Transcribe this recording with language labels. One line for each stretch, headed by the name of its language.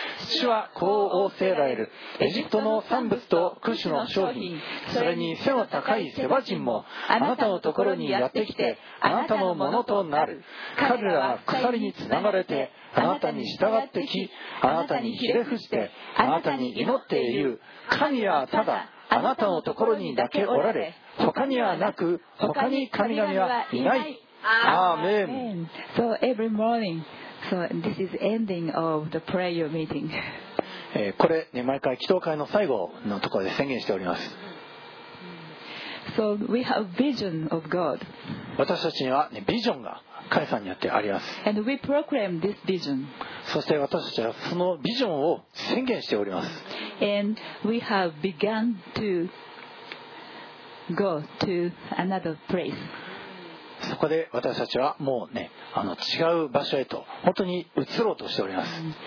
Japanese: 主はこう仰せられる。エジプトの産物とクシュの商品、それに背の高いセバ人もあなたのところにやってきて、あなたのものとなる。彼らは鎖につながれてあなたに従ってき、あなたにひれ伏してあなたに祈っている。神はただあなたのところにだけおられ、他にはなく、他に神々はいない。アーメン。
English: So every morningSo this is ending of the prayer meeting.
Japanese: これ、ね、毎回祈祷会の最後のところで宣言しております。
English: So we have vision of God.
Japanese: 私たちには、ね、ビジョンが神様にあってあります。
English: And we proclaim this vision.
Japanese: そして私たちはそのビジョンを宣言しております。
English: And we have begun to go to another place.
Japanese: そこで私たちはもうね、違う場所へと本当に移ろうとしております。